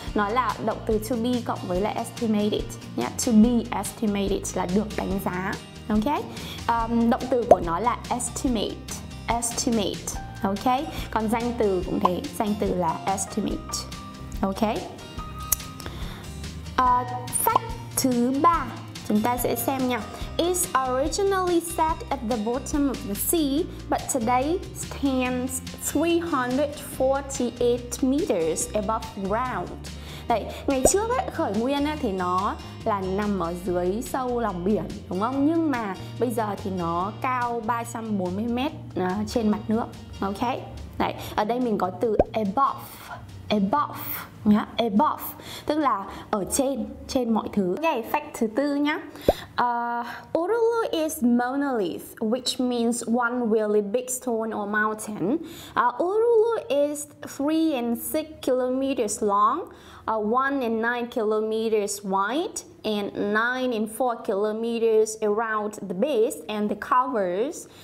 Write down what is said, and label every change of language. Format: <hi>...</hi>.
<vi>Nó là động từ to be cộng với lại estimated nhá.</vi> <en>To be estimated</en> <vi>là được đánh giá. Ok, động từ của nó là estimate. Ok, còn danh từ cũng thế, danh từ là estimate. Ok, fact thứ ba chúng ta sẽ xem nha.</vi> <en>Is originally set at the bottom of the sea, but today stands 348 meters above ground.</en> <vi>Đấy, ngày trước ấy, khởi nguyên ấy, thì nó là nằm ở dưới sâu lòng biển, đúng không? Nhưng mà bây giờ thì nó cao 340 mét trên mặt nước. Ok, đấy, ở đây mình có từ above, tức là ở trên mọi thứ. Ok, fact thứ tư nhá.</vi> <en>Uluru is monolith, which means one really big stone or mountain. Uluru is 3.6 kilometers long, 1.9 kilometers wide, and 9.4 kilometers around the base and the covers.</en>